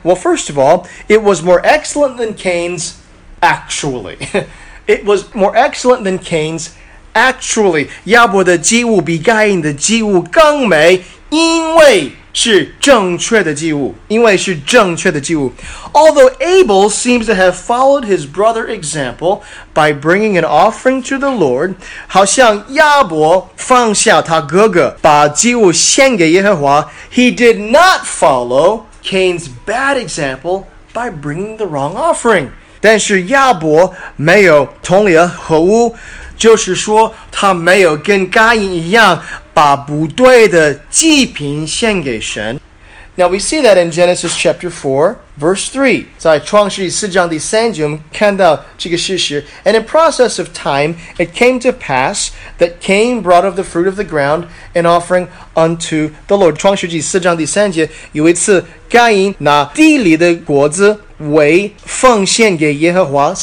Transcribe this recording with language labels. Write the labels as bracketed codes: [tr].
[en] Well, first of all, it was more excellent than Cain's actually. It was more excellent than Cain's actually. [zh] 亚伯的祭物比该隐的祭物更美，因为是正确的祭物，因为是正确的祭物。 [en] Although Abel seems to have followed his brother's example by bringing an offering to the Lord, [zh] 好像亚伯放下他哥哥，把祭物献给耶和华， [en] he did not follow Cain's bad example by bringing the wrong offering. [zh] 但是亚伯没有同流合污，就是说他没有跟该隐一样把不对的祭品献给神。 [en] Now we see that in Genesis chapter 4, verse 3. [zh] 在创世纪四章第三节我们看到这个事实。 [en] And in process of time, it came to pass that Cain brought of the fruit of the ground an offering unto the Lord. [zh] 创世纪四章第三节，有一次该隐拿地里的果子为奉献给耶和华。